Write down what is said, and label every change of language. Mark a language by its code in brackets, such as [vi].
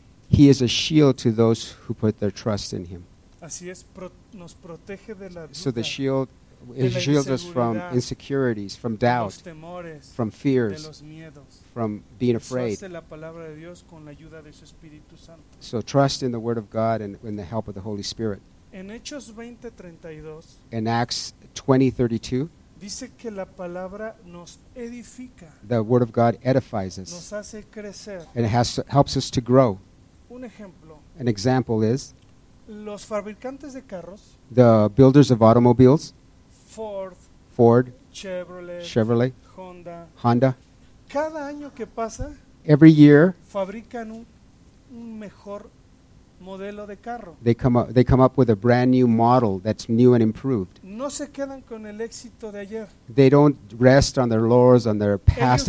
[en] He is a shield to those who put their trust in him. [es] Así es, nos protege de la duda, [en] so the shield it shields us from insecurities, from doubt, [es] los temores, [en] from fears, [es] de los miedos, [en] from being afraid. Trust [es] la palabra de Dios con la ayuda de su Espíritu Santo. [en] So trust in the word of God and in the help of the Holy Spirit. [es] En Hechos 20:32, [en] in Acts 20:32, [es] dice que la palabra nos edifica. [en] The word of God edifies us. [es] Nos hace crecer. [en] And it has to, helps us to grow. [es] Un ejemplo. [en] An example is [es] los fabricantes de carros, [en] the builders of automobiles, Ford, Chevrolet, [es] Honda, cada año que pasa, [en] every year, [es] fabrican un mejor modelo de carro. [en] They come up with a brand new model that's new and improved. [es] No se quedan con el éxito de ayer. [en] They don't rest on their laurels, on their past